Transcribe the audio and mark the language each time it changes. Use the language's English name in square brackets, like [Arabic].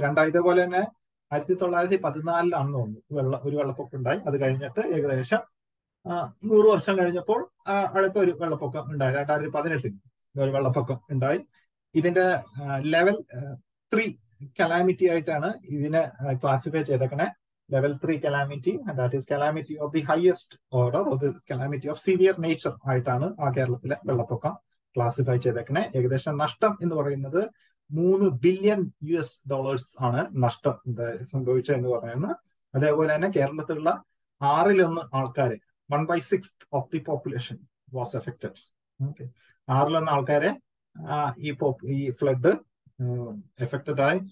[Malayalam] ഇതേപോലെ തന്നെ 1914 തോന്നുന്നു ഒരു വെള്ളപ്പൊക്കം ഉണ്ടായി. അത് കഴിഞ്ഞിട്ട് ഏകദേശം 100 വർഷം കഴിഞ്ഞപ്പോൾ അടുത്ത ഒരു വെള്ളപ്പൊക്കം ഉണ്ടായി. 2018 ഒരു വെള്ളപ്പൊക്കം ഉണ്ടായി. ഇതിന്റെ Level 3 Calamity ആയിട്ടാണ് ഇതിനെ ക്ലാസിഫൈ ചെയ്തേക്കണേ. [English] Level 3 Calamity, and that is calamity of the highest order or the calamity of severe nature [Malayalam] ആയിട്ടാണ് ആ കേരളത്തിലെ വെള്ളപ്പൊക്കം ക്ലാസിഫൈ ചെയ്തേക്കണേ. ഏകദേശം നഷ്ടം എന്ന് പറയുന്നത് $3 billion ആണ് നഷ്ടം സംഭവിച്ചത് എന്ന് പറയുന്നത്. അതേപോലെ തന്നെ കേരളത്തിലുള്ള [English] 1/6 1/6 of the population was affected. [Malayalam] Okay, 1/6 ആൾക്കാരെ ഈ ഫ്ലഡ് എഫക്റ്റഡ് ആയി.